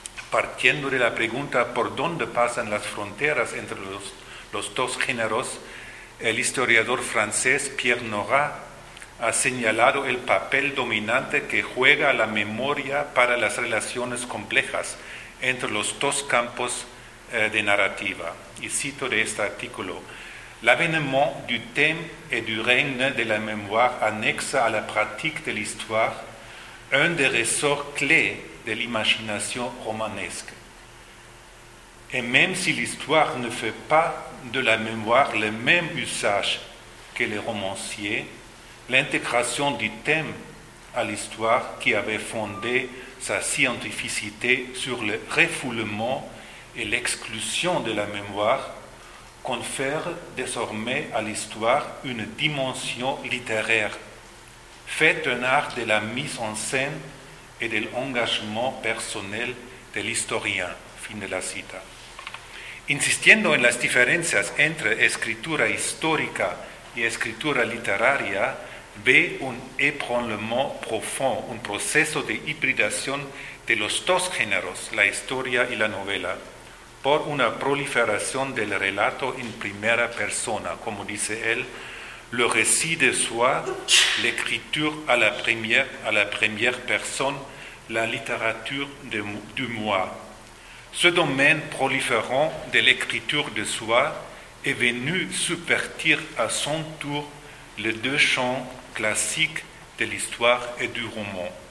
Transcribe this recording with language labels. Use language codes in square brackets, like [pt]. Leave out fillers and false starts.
[es] partiendo de la pregunta por dónde pasan las fronteras entre los dos géneros, el historiador francés Pierre Nora ha señalado el papel dominante que juega la memoria para las relaciones complejas entre los dos campos de narrativa. Y cito de este artículo: [fr] L'avènement du temps et du règne de la mémoire annexe à la pratique de l'histoire, un des ressorts clés de l'imagination romanesque. Et même si l'histoire ne fait pas de la mémoire le même usage que les romanciers, l'intégration du temps à l'histoire qui avait fondé sa scientificité sur le refoulement et l'exclusion de la mémoire confère désormais à l'histoire une dimension littéraire, fait un art de la mise en scène et de l'engagement personnel de l'historien. [es] Fin de la cita. Insistiendo en las diferencias entre escritura histórica y escritura literaria, ve [fr] un ébranlement profond, [es] un proceso de hibridación de los dos géneros, la historia y la novela, por una proliferación del relato en primera persona, como dice él, [fr] le récit de soi, l'écriture à la première personne, la littérature du moi. Ce domaine proliférant de l'écriture de soi est venu subvertir à son tour les deux champs classiques de l'histoire et du roman.